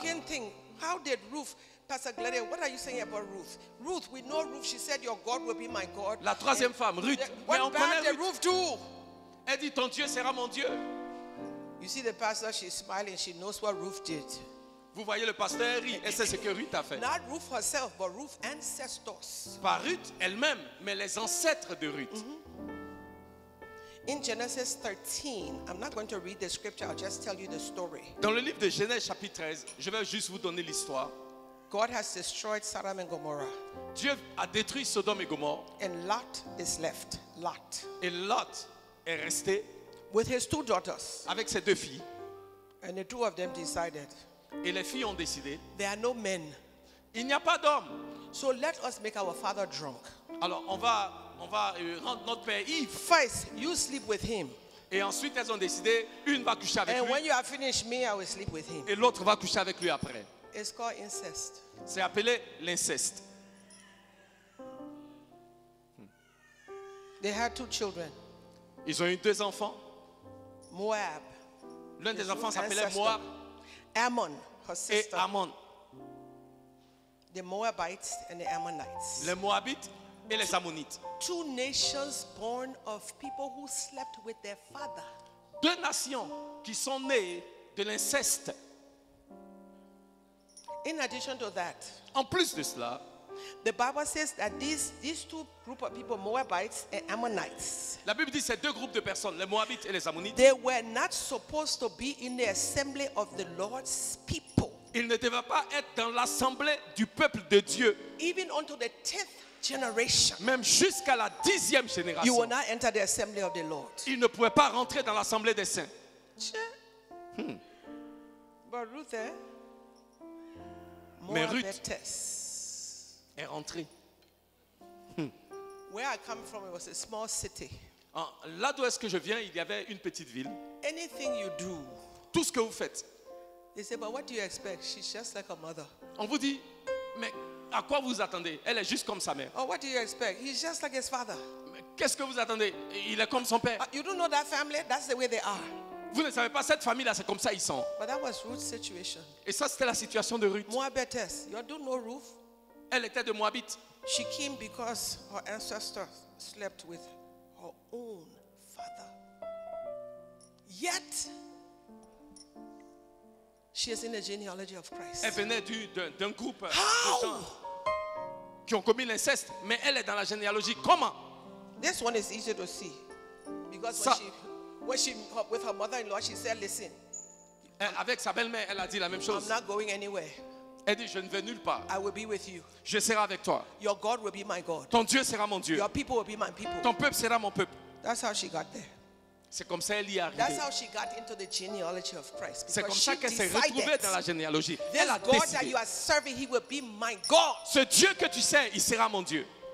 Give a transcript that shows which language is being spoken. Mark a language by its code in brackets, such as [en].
[en] You can think, how did Ruth, Pastor Gladia, what are you saying about Ruth? Ruth, we know Ruth, she said, your God will be my God. [fr] La troisième and femme, Ruth. [en] What [fr] mais on [en] bad [fr] connaît [en] did Ruth do? [fr] Elle dit, ton Dieu sera mon Dieu. [en] You see the pastor, she's smiling, she knows what Ruth did. [fr] Vous voyez le pasteur rit et c'est ce que Ruth a fait. [en] Not Ruth herself, but Ruth ancestors. [fr] Pas Ruth elle-même, mais les ancêtres de Ruth. [en] Mm-hmm. In Genesis 13, I'm not going to read the scripture, I'll just tell you the story. [fr] Dans le livre de Genèse chapitre 13, je vais juste vous donner l'histoire. [en] God has destroyed Sodom and Gomorrah. [fr] Dieu a détruit Sodome et Gomorrah. [en] And Lot is left. Lot. [fr] Et Lot est resté. [en] With his two daughters. [fr] Avec ses deux filles. [en] And the two of them decided. [fr] Et les filles ont décidé. [en] There are no men. [fr] Il n'y a pas d'hommes. [en] So let us make our father drunk. [fr] Alors on va rendre notre père ivre. [en] First, you sleep with him. [fr] Et ensuite elles ont décidé, une va coucher avec [en] and [fr] lui. [en] And when you have finished me, I will sleep with him. [fr] Et l'autre va coucher avec lui après. [en] It's called incest. [fr] C'est appelé l'inceste. [en] They had two children. [fr] Ils ont eu deux enfants. [en] Moab. [fr] L'un des enfants s'appelait [en] ancestor. [fr] Moab. [en] Ammon, her sister. [fr] Et Ammon. [en] The Moabites and the Ammonites. [fr] Les Moabites et les Ammonites. [en] Two nations born of people who slept with their father. [fr] Deux nations qui sont nées de l'inceste. [en] In addition to that, [fr] en plus de cela, [en] the Bible says that these two group of people, Moabites and Ammonites, [fr] la Bible dit ces deux groupes de personnes, les Moabites et les Ammonites, [en] they were not supposed to be in the assembly of the Lord's people. [fr] Ils ne devaient pas être dans l'assemblée du peuple de Dieu. [en] Even unto the 10th generation, [fr] même jusqu'à la 10e génération, [en] you will not enter the assembly of the Lord. [fr] Ils ne pouvaient pas rentrer dans l'assemblée des saints. [en] But Ruth, eh? [fr] Mais Ruth est rentrée. [en] Where I come from, it was a small city. [fr] Là d'où est-ce que je viens, il y avait une petite ville. [en] Anything you do, [fr] tout ce que vous faites. [en] They say, but what do you expect? She's just like a mother. [fr] On vous dit, mais à quoi vous attendez? Elle est juste comme sa mère. [en] Oh, what do you expect? He's just like his father. [fr] Qu'est-ce que vous attendez? Il est comme son père. [en] You don't know that family? That's the way they are. [fr] Vous ne savez pas, cette famille-là, c'est comme ça, ils sont. [en] But that was Ruth's situation. [fr] Et ça, c'était la situation de Ruth. [en] Moabites, you don't know Ruth? [fr] Elle était de Moabit. [en] She came because her ancestor slept with her own father. Yet, she is in the genealogy of Christ. [fr] Elle venait d'un groupe. [en] How? [fr] Qui ont commis l'inceste, mais elle est dans la généalogie. Comment? [en] This one is easy to see, because ça, when she with her mother-in-law, she said, "Listen." [fr] Elle, avec sa belle-mère, elle a dit la même chose. [en] I'm not going anywhere. [fr] Elle dit, je ne vais nulle part. [en] I will be with you. [fr] Je serai avec toi. [en] Your God will be my God. [fr] Ton Dieu sera mon Dieu. [en] Your people will be my people. [fr] Ton peuple sera mon peuple. [en] That's how she got there. [fr] C'est comme ça qu'elle y est arrivée. [en] That's how she got into the genealogy of Christ. [fr] C'est comme ça qu'elle s'est retrouvée dans la généalogie. [en] This [fr] elle a [en] God [fr] décidé. [en] That you are serving, he will be my God. [fr] Ce Dieu que tu sers, il sera mon Dieu.